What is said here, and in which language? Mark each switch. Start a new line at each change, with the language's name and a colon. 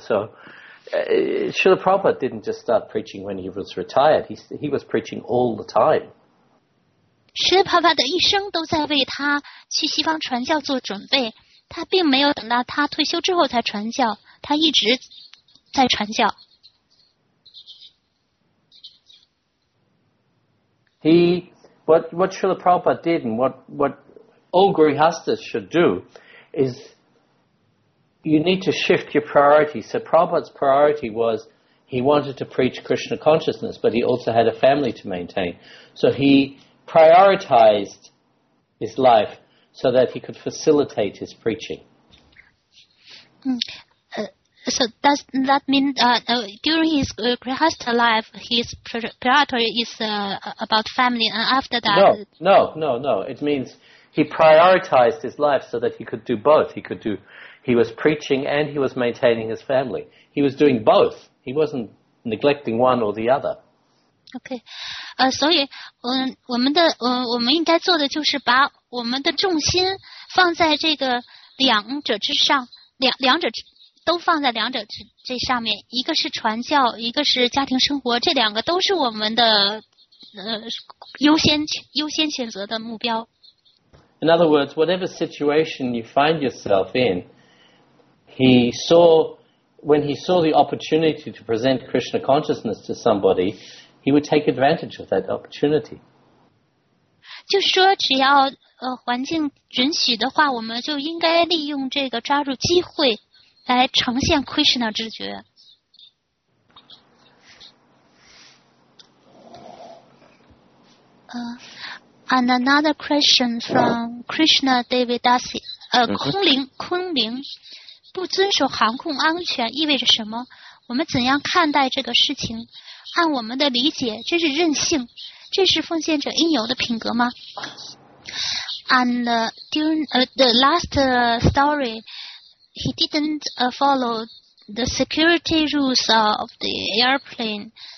English: So, Srila Prabhupada didn't just start preaching when he was retired. He was preaching all the time.
Chinese: Srila Prabhupada 的一生都在为他去西方传教做准备。他并没有等到他退休之后才传教，他一直在传教。
English: What Srila Prabhupada did and what all grihasthas should do is you need to shift your priorities. So Prabhupada's priority was he wanted to preach Krishna consciousness, but he also had a family to maintain. So he prioritized his life so that he could facilitate his preaching. So does that mean during his grihastha life, his priority is about family, and after that... No. It means he prioritized his life so that he could do both. He was preaching and he was maintaining his family. He was doing both. He wasn't neglecting one or the other. Okay.
Chinese: 所以我们应该做的就是把我们的重心放在这个两者之上，两者都放在两者这上面，一个是传教，一个是家庭生活，这两个都是我们的优先选择的目标。
English: In other words, whatever situation you find yourself in, when he saw the opportunity to present Krishna consciousness to somebody, he would take advantage of that opportunity.
Chinese: 就是说只要环境允许的话，我们就应该利用这个抓住机会来呈现 Krishna 知觉。
English: And another question from Krishna Devadasi.
Chinese: 空灵不遵守航空安全意味着什么？我们怎样看待这个事情？按我们的理解，这是任性，这是奉献者应有的品格吗？
English: And the last story, he didn't follow the security rules of the airplane.